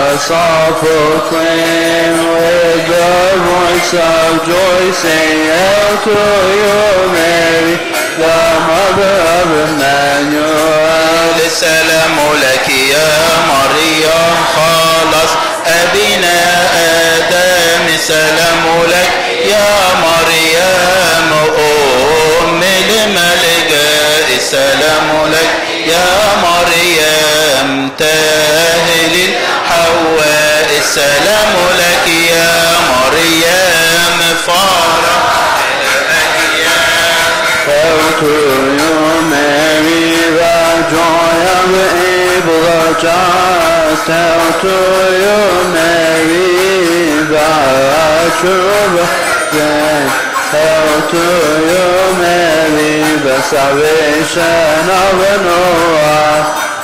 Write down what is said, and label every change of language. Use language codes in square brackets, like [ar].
[en] all proclaim with the voice of joy, saying, Hail to you, Mary, the mother of Emmanuel. [ar] السلام لك يا مريم خلاص أبينا آدم السلام لك يا مريم أم الملك السلام لك يا مريم تاهل الحواء السلام لك يا مريم فرح [en] to you, Mary, the joy of the evil just. Hail to you, Mary, the true virgin. Hail to you, Mary, the salvation of Noah.